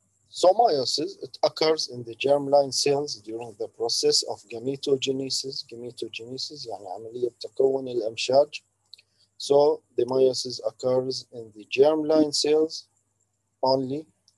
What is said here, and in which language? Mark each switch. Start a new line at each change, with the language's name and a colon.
English: So meiosis, it occurs in the germline cells during the process of gametogenesis.
Arabic: Gametogenesis يعني عملية تكون الأمشاج.
English: So the meiosis occurs in the germline cells only.